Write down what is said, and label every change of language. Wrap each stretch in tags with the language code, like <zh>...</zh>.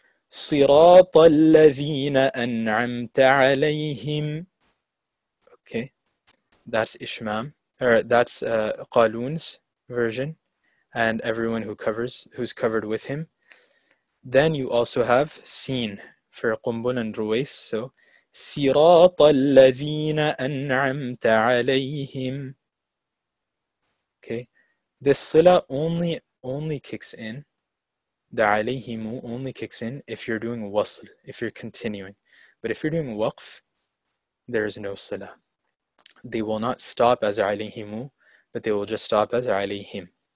<ar>Sirat al-lazina an'amta alayhim.</ar> <en>Okay, that's Ishmam, or that's Qalun's version, and everyone who covers, who's covered with him. Then you also have seen for Qumbul and Ruwais. So,</en> <ar>صراط الذين أنعمت عليهم.</ar> <en>Okay, this sila only kicks in. The عليهم only kicks in if you're doing wasl, if you're continuing. But if you're doing waqf, there is no sila. They will not stop as عليهم, but they will just stop as عليهم.</en>